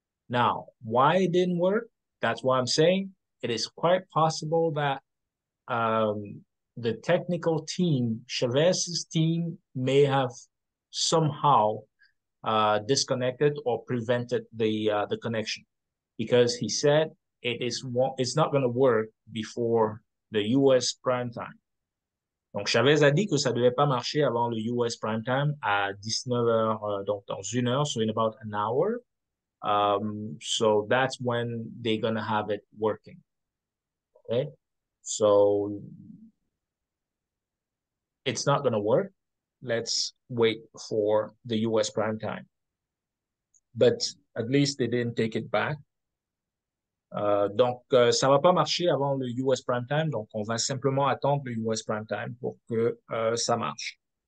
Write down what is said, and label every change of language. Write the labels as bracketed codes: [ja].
[en] Now, why it didn't work? That's why I'm saying it is quite possible that the technical team, Chavez's team, may have somehow disconnected or prevented the connection, because he said it's not going to work before the U.S. prime time. [fr] Donc Chavez a dit que ça devait pas marcher avant le U.S. prime time à 19h, donc dans une heure, [en] so in about an hour. So that's when they're going to have it working. Okay. So it's not going to work. Let's wait for the US prime time. But at least they didn't take it back. [fr] Donc, ça va pas marcher avant le US prime time. Donc, on va simplement attendre le US prime time pour que ça marche.